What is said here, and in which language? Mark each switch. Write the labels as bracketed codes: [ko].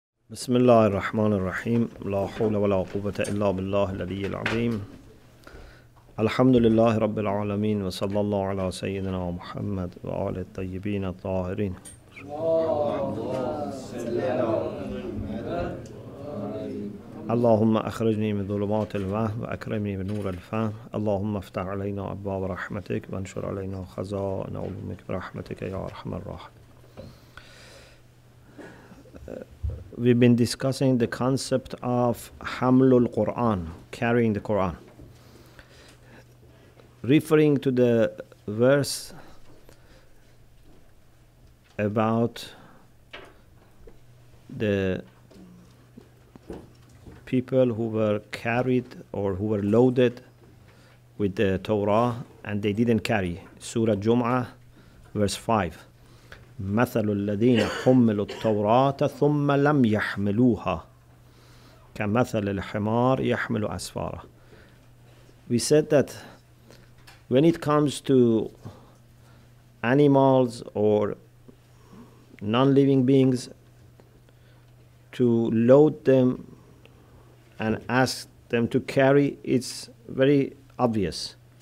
[ar] بسم الله الرحمن الرحيم لا حول ولا قوة إلا بالله العلي العظيم الحمد لله رب العالمين وصلى الله على سيدنا محمد وآل الطيبين الطاهرين اللهم أخرجني من ظلمات الوهم وأكرمني بنور الفهم اللهم افتح علينا أبواب رحمتك وانشر علينا خزائن علومك برحمتك يا أرحم الراحمين. [en] We've been discussing the concept of Hamlul Qur'an, carrying the Qur'an, referring to the verse about the people who were carried or who were loaded with the Torah and they didn't carry. Surah Jum'ah, verse 5. [ar] مثل الذين حملوا التوراة ثم لم يحملوها كمثل الحمار يحمل أسفارا. [en] We said that when it comes to animals or non-living beings, to load them and ask them to carry, it's very obvious.